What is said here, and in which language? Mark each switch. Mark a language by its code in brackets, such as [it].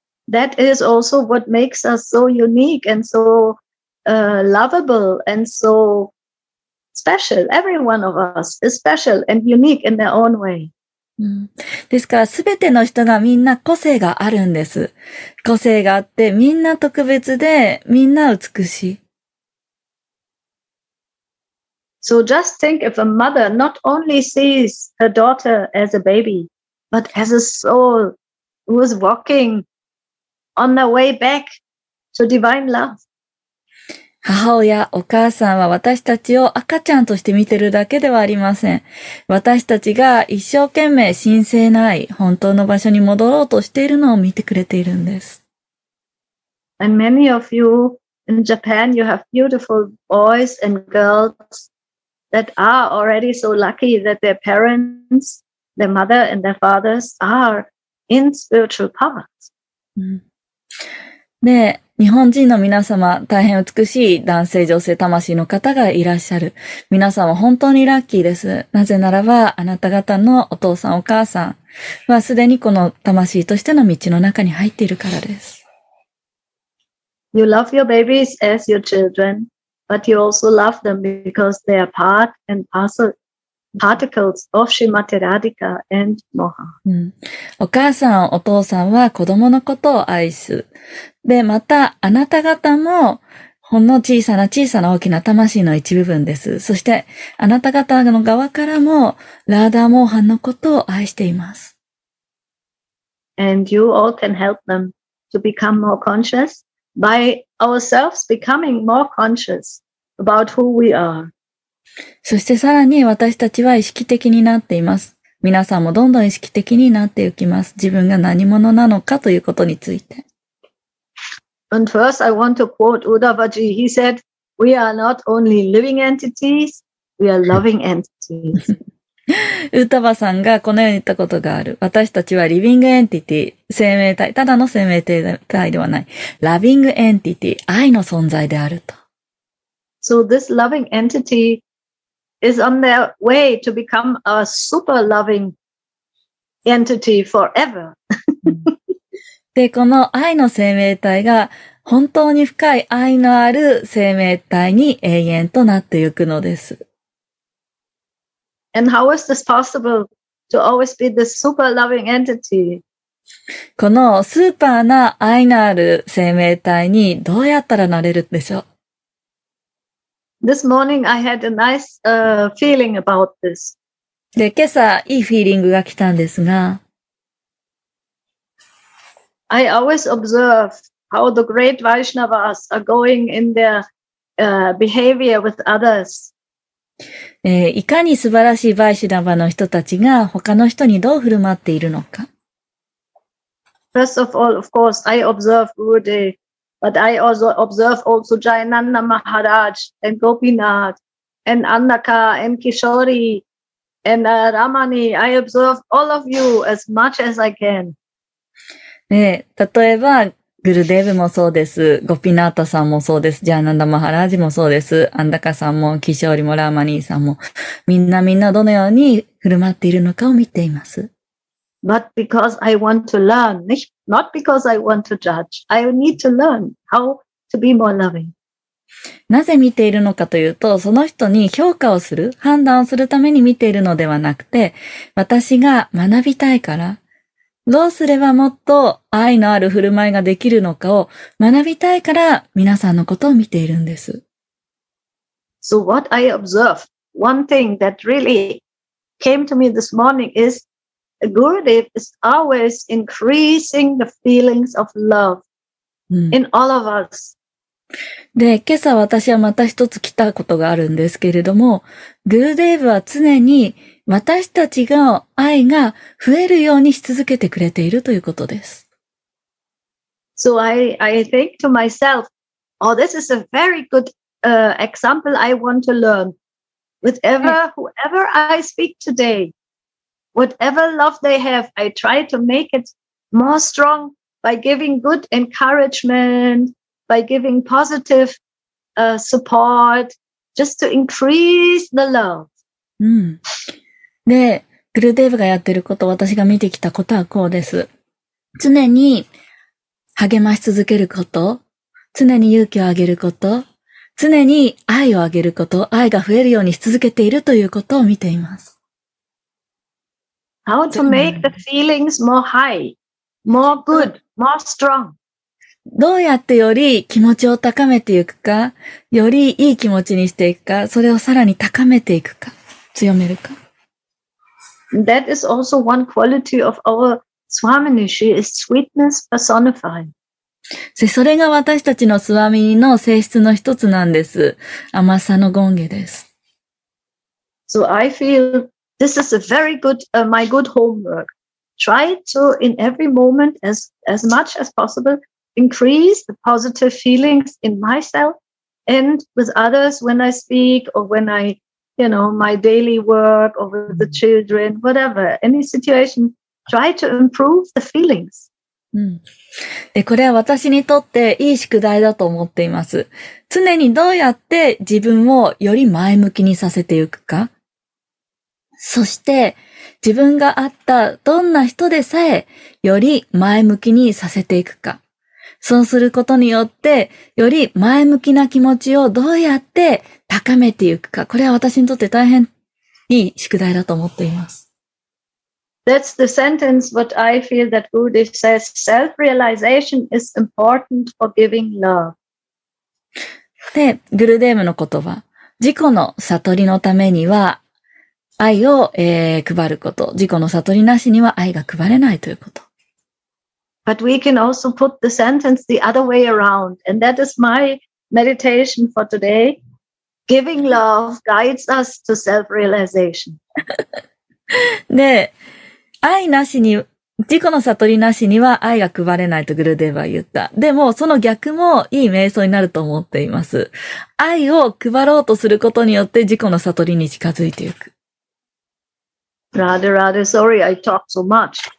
[en] That is also what makes us so unique and so, lovable and so special. Every one of us is special and unique in their own way. [ja] ですから、すべての人がみんな個性があるんです。個性があって、みんな特別で、みんな美しい。 [en] So just think if a mother not only sees her daughter as a baby, but as a soul who is walking on the way back to divine love. [ja] 母親、お母さんは私たちを赤ちゃんとして見てるだけではありません。私たちが一生懸命神聖な愛、本当の場所に戻ろうとしているのを見てくれているんです。 [en] And many of you in Japan, you have beautiful boys and girls. That are already so lucky that their parents, their mother and their fathers are in spiritual path. [ja] で、日本人の皆様、大変美しい男性、女性、魂の方がいらっしゃる。皆さんは本当にラッキーです。なぜならば、あなた方のお父さん、お母さんはすでにこの魂としての道の中に入っているからです。 [en] You love your babies as your children. But you also love them because they are part and parcel, particles of Shrimati Radhika and Moha.、 [ja] うん、お母さん、お父さんは子供のことを愛す。で、また、あなた方も、ほんの小さな小さな大きな魂の一部分です。そして、あなた方の側からも、ラーダーモーハンのことを愛しています。 [en] And you all can help them to become more conscious. By ourselves becoming more conscious about who we are. [ja] そしてさらに私たちは意識的になっています。皆さんもどんどん意識的になっていきます。自分が何者なのかということについて。 [en] And first I want to quote Uddhavaji. He said, we are not only living entities, we are loving entities. [ja] ウタバさんがこのように言ったことがある。私たちはリビングエンティティ、生命体、ただの生命体ではない。ラビングエンティティ、愛の存在であると。 [en] So this loving entity is on their way to become a super loving entity forever. [ja] で、この愛の生命体が本当に深い愛のある生命体に永遠となっていくのです。 [en] And how is this possible to always be this super loving entity? [ja] このスーパーな愛のある生命体にどうやったらなれるんでしょう? [en] This morning I had a nice, feeling about this. [ja] で、今朝いいフィーリングが来たんですが。 [en] I always observe how the great Vaishnavas are going in their, behavior with others. [ja] いかに素晴らしいバイシュナバの人たちが他の人にどう振る舞っているのか。 [en] First of all, of course, I observe Gurudev, but I also observe also Jayananda Maharaj and Gopinath and Annaka and Kishori and Ramani. I observe all of you as much as I can. [ja] ね、例えば、グルデーブもそうです。ゴピナータさんもそうです。ジャーナンダ・マハラージもそうです。アンダカさんも、キショーリもラーマニーさんも、みんなみんなどのように振る舞っているのかを見ています。 [en] But because I want to learn, not because I want to judge. I need to learn how to be more loving. [ja] なぜ見ているのかというと、その人に評価をする、判断をするために見ているのではなくて、私が学びたいから、どうすればもっと愛のある振る舞いができるのかを学びたいから皆さんのことを見ているんです。 [en] So what I observed, one thing that really came to me this morning is Gurudev is always increasing the feelings of love in all of us. [ja] で、今朝私はまた一つ来たことがあるんですけれども、Gurudev は常に私たちの愛が増えるようにし続けてくれているということです。 [en] So I think to myself, oh, this is a very good, example I want to learn. With ever, whoever I speak today, whatever love they have, I try to make it more strong by giving good encouragement, by giving positive, support, just to increase the love. [ja] で、グルデーブがやってること、私が見てきたことはこうです。常に励まし続けること、常に勇気をあげること、常に愛をあげること、愛が増えるようにし続けているということを見ています。 [en] How to make the feelings more high, more good, more strong. [ja] どうやってより気持ちを高めていくか、よりいい気持ちにしていくか、それをさらに高めていくか、強めるか。 [en] That is also one quality of our Swamini. She is sweetness personified. [ja] それが私たちのスワミニの性質の一つなんです。甘さの権化です。 [en] So I feel this is a very good, my good homework. Try to in every moment as much as possible increase the positive feelings in myself and with others when I speak or when I,You know, my daily work or with the children, whatever, any situation, try to improve the feelings. [ja] で、これは私にとっていい宿題だと思っています。常にどうやって自分をより前向きにさせていくか。そして、自分があったどんな人でさえより前向きにさせていくか。そうすることによって、より前向きな気持ちをどうやって高めていくか。これは私にとって大変いい宿題だと思っています。 [en] That's the sentence what I feel that Gurudev says, self-realization is important for giving love. [ja] で、グルデーブの言葉、自己の悟りのためには愛を、配ること、自己の悟りなしには愛が配れないということ。 [en] But we can also put the sentence the other way around. And that is my meditation for today. Giving love guides us to self-realization. [ja] で、愛なしに、自己の悟りなしには愛が配れないとグルデーヴァ言った。でも、その逆もいい瞑想になると思っています。愛を配ろうとすることによって自己の悟りに近づいていく。 [en] Radha, Radha, sorry, I talk so much.